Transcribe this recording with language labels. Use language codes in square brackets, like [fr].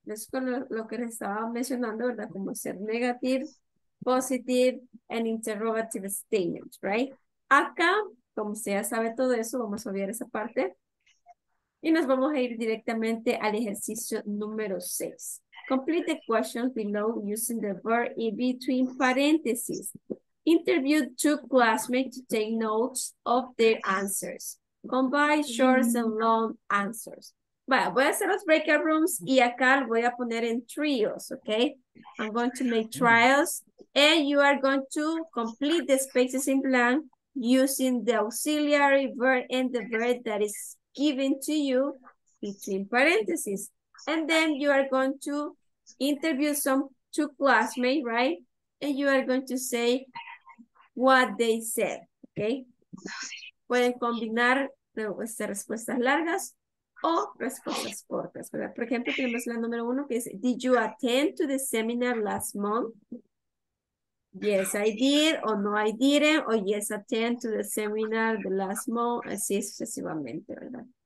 [es] Es con lo que les estaba mencionando, ¿verdad? Como ser [en] negative, positive, and interrogative statements, ¿right? [es] Acá, como usted ya sabe todo eso, vamos a obviar esa parte. Y nos vamos a ir directamente al ejercicio número 6. [en] Complete the questions below using the verb in between parentheses. Interview two classmates to take notes of their answers. Combine short and long answers. [es] Bueno, voy a hacer los breakout rooms y acá lo voy a poner en trios, ¿ok? [en] I'm going to make trials and you are going to complete the spaces in blank using the auxiliary verb and the verb that is given to you between parentheses. And then you are going to interview some two classmates, right? And you are going to say what they said, okay? [es] Pueden combinar respuestas largas o respuestas cortas, ¿verdad? Por ejemplo, tenemos la número uno que dice, [en] did you attend to the seminar last month? Yes, I did, o no, I didn't, o yes, attend to the seminar the last month, [es] así sucesivamente, ¿verdad?